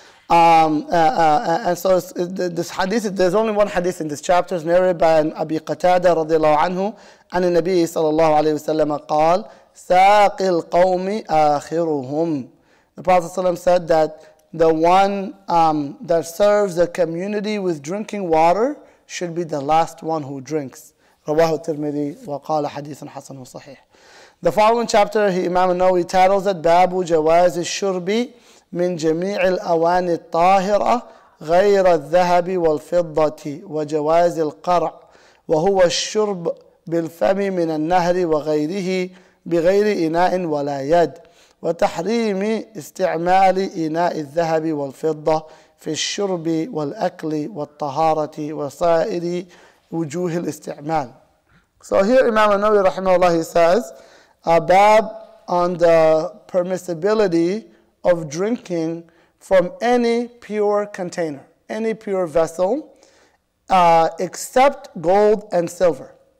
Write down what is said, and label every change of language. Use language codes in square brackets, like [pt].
[en] And so this hadith, there's only one hadith in this chapter, it's narrated by Abi Qatada radiallahu anhu, and the Nabi sallallahu alayhi wa sallam qal, [ar] ساق القوم آخرهم. [en] The Prophet ﷺ said that the one that serves the community with drinking water should be the last one who drinks. [ar] رواه الترمذي وقال حديث حسن صحيح. The following chapter, Imam An-Nawawi titles it باب جواز الشرب من جميع الأواني الطاهرة غير الذهب والفضة وجواز القرع وهو الشرب بالفم من النهر وغيره بغير إناء ولا يد وتحريم استعمال إناء الذهب والفضة في الشرب والأكل والطهارة وسائر وجوه الاستعمال. [en] So here Imam An-Nawawi رحمه الله says a bab on the permissibility of drinking from any pure container, any pure vessel, except gold and silver.